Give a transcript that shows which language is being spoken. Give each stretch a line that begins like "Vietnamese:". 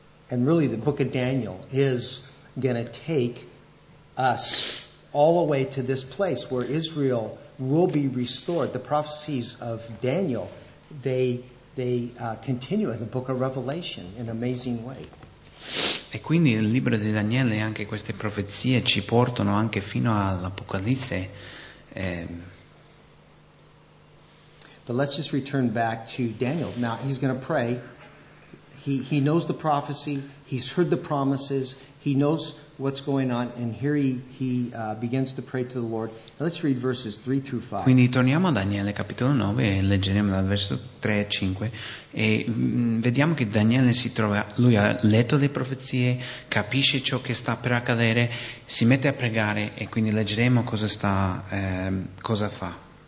English: And really, the book of Daniel is going to take us all the way to this place where Israel will be restored. The prophecies of Daniel, they continue in the book of Revelation in an amazing way.
Italian: E quindi il libro di Daniele, anche queste profezie ci portano anche fino all'Apocalisse.
English: But let's just return back to Daniel. Now he's going to pray. He knows the prophecy. He's heard the promises. He knows what's going on, and here he begins to pray to the Lord. Now let's read verses 3 through 5.
Italian: Quindi torniamo a Daniele capitolo 9 e leggeremo dal verso 3 a 5 e vediamo che Daniele si trova, lui ha letto le profezie, capisce ciò che sta per accadere, si mette a pregare e quindi leggeremo cosa fa.